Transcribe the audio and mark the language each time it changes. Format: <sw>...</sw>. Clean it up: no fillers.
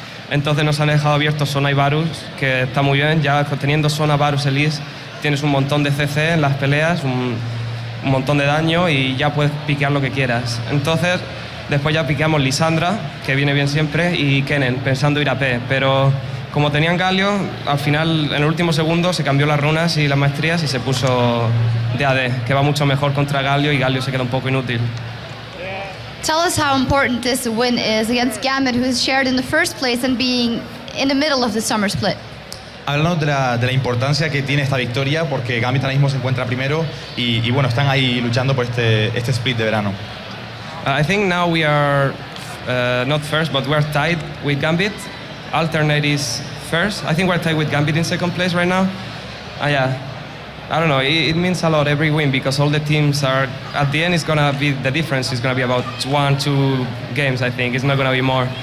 <es>Entonces nos han dejado abiertos zona y Varus, que está muy bien. Ya teniendo zona, Varus, Elise, tienes un montón de CC en las peleas, un montón de daño y ya puedes piquear lo que quieras. Entonces, después ya piqueamos Lissandra, que viene bien siempre, y Kennen, pensando ir a P. Pero como tenían Galio, al final, en el último segundo, se cambió las runas y las maestrías y se puso de AD, que va mucho mejor contra Galio y Galio se queda un poco inútil.</es> <en>Tell us how important this win is against Gambit, who is shared in the first place and being in the middle of the summer split.</en> <es>Háblanos de la importancia que tiene esta victoria, porque Gambit ahora mismo se encuentra primero y bueno, están ahí luchando por este split de verano.</es> <en>I think now we are not first, but we are tied with Gambit. Alternate is first. I think we're tied with Gambit in second place right now. Yeah, I don't know. It means a lot every win because all the teams are at the end. It's gonna be the difference. It's gonna be about 1-2 games. I think it's not gonna be more.</en>